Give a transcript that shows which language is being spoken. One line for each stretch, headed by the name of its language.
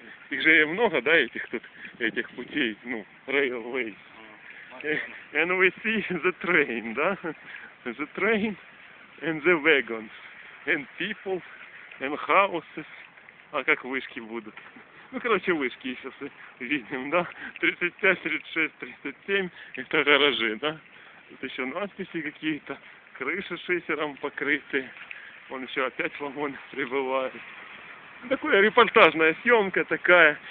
Ukrainian: Їх же є много,
Russian: да, этих тут, этих путей, ну, railways.
English: And we see the train,
Russian: да?
English: The train and the wagons. And people and houses.
Russian: А как вышки будут? Ну, короче, вышки сейчас видим, да? 35, 36, 37. Это гаражи, да? Тут еще надписи какие-то. Крыши шифером покрыты. Вон еще опять вагон прибывает. Такая репортажная съемка такая.